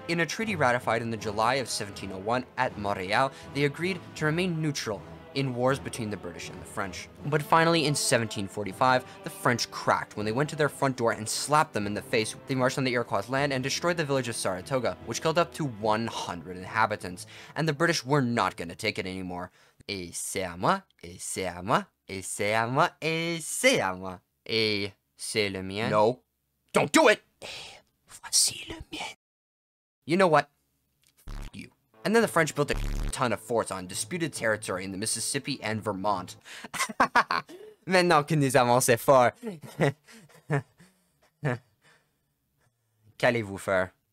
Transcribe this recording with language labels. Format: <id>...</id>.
<en>In a treaty ratified in the July of 1701 at Montreal, they agreed to remain neutral in wars between the British and the French. But finally, in 1745, the French cracked when they went to their front door and slapped them in the face. They marched on the Iroquois land and destroyed the village of Saratoga, which killed up to 100 inhabitants. And the British were not going to take it anymore.</en> <fr>Et c'est à moi, et c'est à moi. Et c'est à moi, et c'est à moi. Et c'est le mien.</fr> <en>No, don't do it!</en> <fr>Et voici le mien.</fr> <en>You know what? F*** you. And then the French built a ton of forts on disputed territory in the Mississippi and Vermont.</en> <fr>Maintenant que nous avons ces forts, qu'allez-vous faire?</fr>